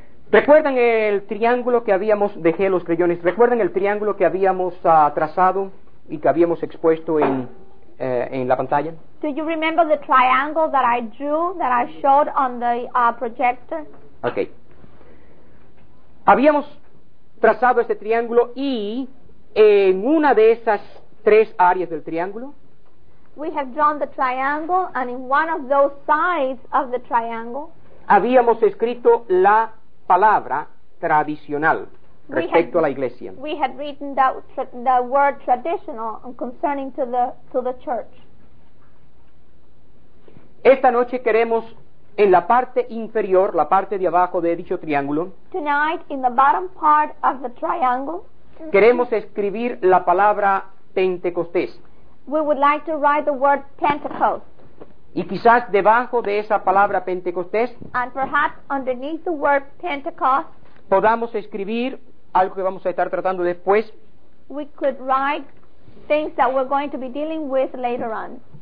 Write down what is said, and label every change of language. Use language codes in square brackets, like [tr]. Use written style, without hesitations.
[es] ¿Recuerdan el triángulo que habíamos dejado los creyones? ¿Recuerdan el triángulo que habíamos trazado y que habíamos expuesto en la pantalla? [en] Do you remember the triangle that I drew, that I showed on the projector? Okay. [es] Habíamos trazado este triángulo y en una de esas tres áreas del triángulo. [en] We have drawn the triangle and in one of those sides of the triangle. [es] Habíamos escrito la palabra tradicional respecto a la iglesia. [en] We had written the word traditional concerning to the church. [es] Esta noche queremos en la parte inferior, la parte de abajo de dicho triángulo. [en] Tonight in the bottom part of the triangle. [es] Queremos escribir la palabra Pentecostés. [en] We would like to write the word Pentecost. [es] Y quizás debajo de esa palabra Pentecostés, [en] and perhaps underneath the word Pentecost, [es] podamos escribir algo que vamos a estar tratando después. [en] We could write things that we're going to be dealing with later on.